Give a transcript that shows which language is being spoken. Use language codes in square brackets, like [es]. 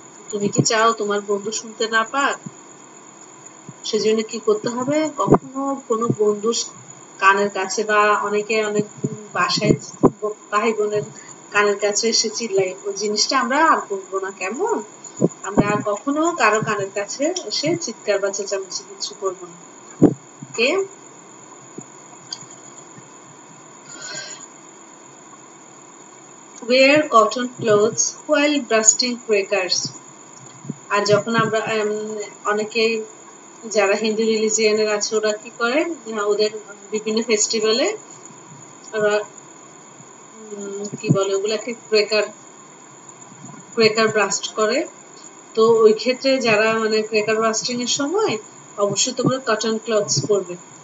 [bn] তুমি কি চাও তোমার বন্ধু শুনতে না পাক? সেজন্য কি করতে হবে, কখনো কোনো বন্ধু কানের কাছে বা অনেকে অনেক বাসায় ভাই বোনের কানের কাছে এসে চিল্লাই, ওই জিনিসটা আমরা আর করবো না কেমন? আমরা আর কখনো কারো কানের কাছে এসে চিৎকার বা চেঁচামেচি কিছু করবো না। [en] Okay, wear cotton clothes while brushing crackers. [bn] আর যখন আমরা অনেকে যারা হিন্দু রিলিজিয়নের আছে ওরা কি করে, ওদের বিভিন্ন ফেস্টিভ্যালে ওরা কি বলে ওগুলাকে ক্রেকার ক্রেকার ব্রাস্ট করে। তো ওই ক্ষেত্রে যারা মানে ক্রেকার ব্রাস্টিং এর সময় অবশ্যই তোমরা কটন ক্লথস পরবে।